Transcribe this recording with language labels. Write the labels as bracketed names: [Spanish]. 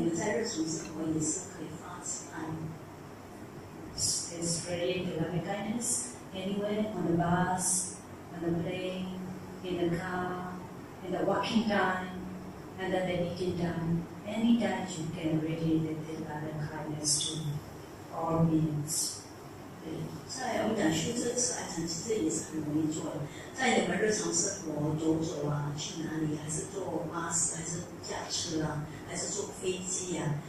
[Chinese] 当然有时间，你们可以晚上来佛堂来做一个钟头，还是两个钟头。如果没有时间呢，你们在日常生活也是可以发慈爱。 [English] It's really the loving kindness. Anywhere, on the bus, on the plane, in the car, in the walking time, and then the eating time. Any time you can really do the loving kindness to all beings. [Chinese] 对，在我们讲修这个慈爱禅，其实也是很容易做的。在你们日常生活走走啊，去哪里，还是坐 bus， 还是驾车啊，还是坐飞机啊。